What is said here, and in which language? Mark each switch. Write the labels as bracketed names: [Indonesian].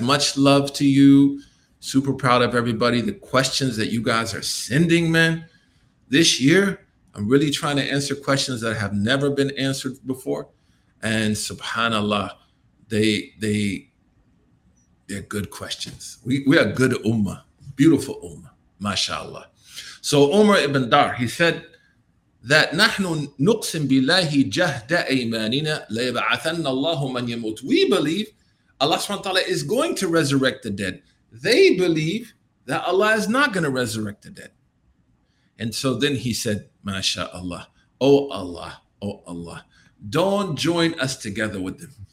[English] Much love to you. Super proud of everybody. The questions that you guys are sending, man, this year, I'm really trying to answer questions that have never been answered before. And subhanAllah, they're good questions. We are good ummah, beautiful ummah, mashallah. So Umar ibn Dar, he said that [Arabic] نَحْنُ نُقْسِمْ بِاللَّهِ جَهْدَ أَيْمَانِنَا لَيَبْعَثَنَّ اللَّهُ مَنْ يَمُوتُ. [English] We believe Allah subhanahu wa ta'ala is going to resurrect the dead. They believe that Allah is not going to resurrect the dead. And so then he said, mashallah, oh Allah, don't join us together with them.